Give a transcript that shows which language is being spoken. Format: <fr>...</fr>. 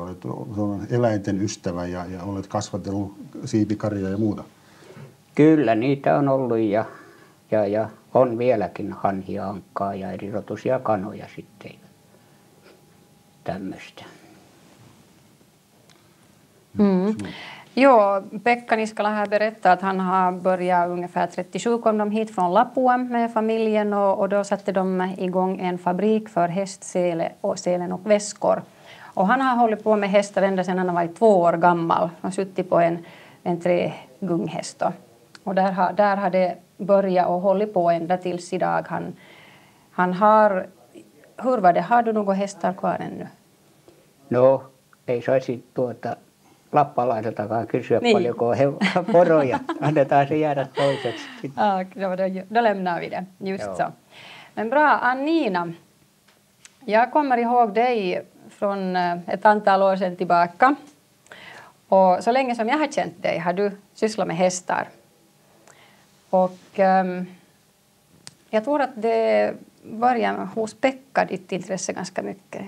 <fi>Olet eläinten ystävä ja olet kasvatellut siipikarjaa ja muuta. Kyllä, niitä on ollut ja on vieläkin hanhia, ankkaa ja erirotuisia kanoja sitten tämmöistä.</fi> <sv>Joo, Pekka Niskala här berättar att han har börjat ungefär 37, kom de hit från Lapua med familjen och då satte de igång en fabrik för hästselen och väskor. Och han har hållit på med hästar ända sedan han var 2 år gammal och suttit på en 3-gunghäst. Och där har det börjat och hållit på ända tills idag. Han har, hur var det, har du några hästar kvar ännu?</sv> <fi>No, ei saisi lappalaiseltakaan kysyä niin. Paljonko on poroja. Annetaan se jäädä toiseksi.</fi> <sv>Då lämnar vi det. Just så. Men bra, Annina. Jag kommer ihåg dig från ett antal år sedan tillbaka. Och så länge som jag har känt dig har du sysslat med hästar. Och jag tror att det börjar hos Pekka ditt intresse ganska mycket.</sv>